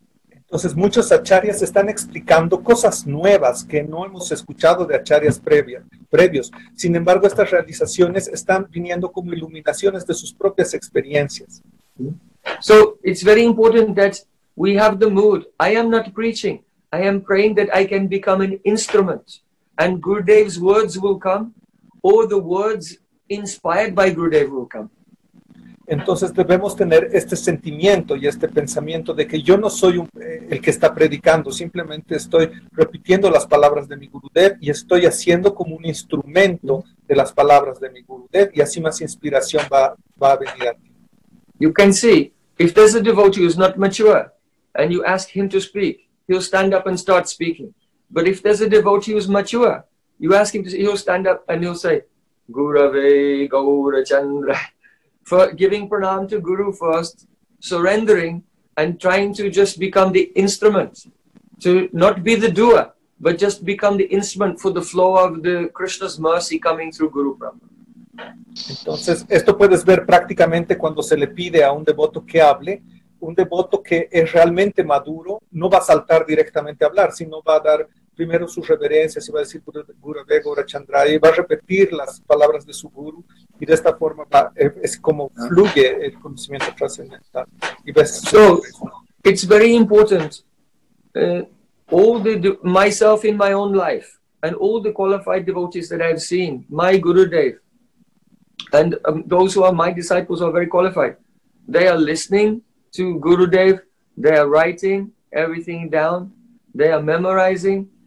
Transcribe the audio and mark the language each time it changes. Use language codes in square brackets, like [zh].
[es] Entonces, muchos acharyas están explicando cosas nuevas que no hemos escuchado de acharyas previos. Sin embargo, estas realizaciones están viniendo como iluminaciones de sus propias experiencias. [en] So, it's very important that we have the mood. I am not preaching. I am praying that I can become an instrument. And Gurudev's words will come, or the words inspired by Gurudev will come. [es] Entonces debemos tener este sentimiento y este pensamiento de que yo no soy el que está predicando, simplemente estoy repitiendo las palabras de mi Gurudev y estoy haciendo como un instrumento de las palabras de mi Gurudev, y así más inspiración va a venir a ti. [en] You can see, if there's a devotee who's not mature and you ask him to speak, he'll stand up and start speaking. But if there's a devotee who's mature, you ask him to speak, he'll stand up and he'll say, Gurave Gaura Chandra. For giving pranam to guru first, surrendering and trying to just become the instrument, to not be the doer, but just become the instrument for the flow of the Krishna's mercy coming through guru prabhu. [es] Entonces, esto puedes ver prácticamente cuando se le pide a un devoto que hable. Un devoto que es realmente maduro no va a saltar directamente a hablar, sino va a dar primero sus reverencias y va a decir Gurave Gaura Chandra y va a repetir las palabras de su guru, y de esta forma es como fluye el conocimiento trascendental. [en] So it's very important, all the myself in my own life and all the qualified devotees that I've seen, my Gurudev and those who are my disciples are very qualified, they are listening to Gurudev, they are writing everything down, they are memorizing.